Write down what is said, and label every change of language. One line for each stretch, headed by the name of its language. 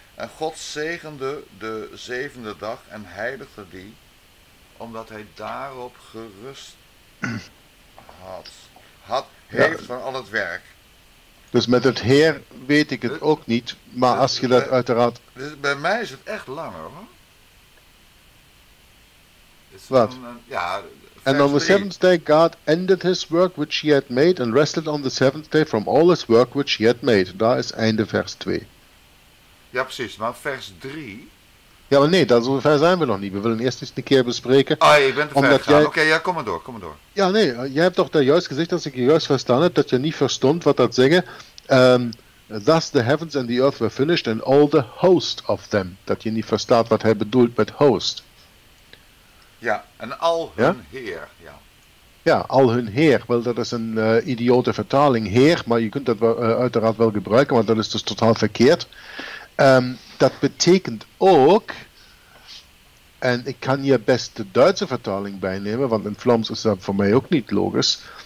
Dutch: En God zegende de zevende dag en heiligde die, omdat hij daarop gerust had. Heeft van al het werk. Dus met het Heer weet ik het ook niet, maar als je dat uiteraard... Bij mij is het echt langer, hoor. Wat? Ja...
English: And on the seventh day God ended his work which he had made and rested on the seventh day from all his work which he had made.
Dutch: Daar is einde vers 2. Ja precies, maar vers 3... Ja maar nee, daar zover zijn we nog niet. We willen eerst eens een keer bespreken. Ah, je bent te ver gegaan. Oké, kom maar door, kom maar door. Ja nee, jij hebt toch daar juist gezegd, als ik je juist verstaan heb, dat je niet verstond wat dat zeggen.
English: Thus the heavens and the earth were finished and all the host of them.
Dutch: Dat je niet verstaat wat hij bedoelt met host. Ja, en al hun heer, ja. Ja, al hun heer. Wel, dat is een idiote vertaling, heer. Maar je kunt dat uiteraard wel gebruiken, want dat is dus totaal verkeerd. Dat betekent ook, en ik kan hier best de Duitse vertaling bijnemen, want in Vlaams is dat voor mij ook niet logisch.